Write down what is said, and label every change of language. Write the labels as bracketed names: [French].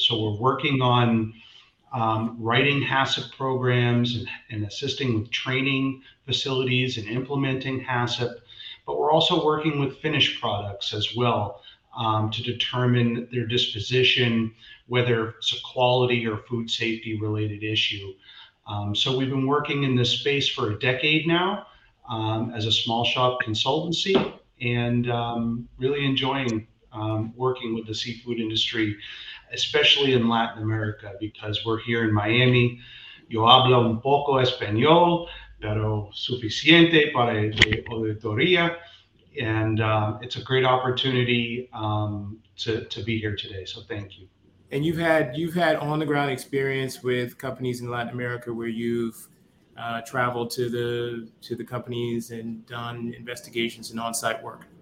[English] So we're working on writing HACCP programs and assisting with training facilities and implementing HACCP, but we're also working with finished products as well to determine their disposition, whether it's a quality or food safety related issue. So we've been working in this space for a decade now as a small shop consultancy and really enjoying working with the seafood industry, especially in Latin America, because we're here in Miami. [Spanish] Yo hablo un poco español, pero suficiente para la auditoría. [English] And it's a great opportunity to be here today. So thank you. And you've had on the ground experience with companies in Latin America where you've traveled to the companies and done investigations and on-site work.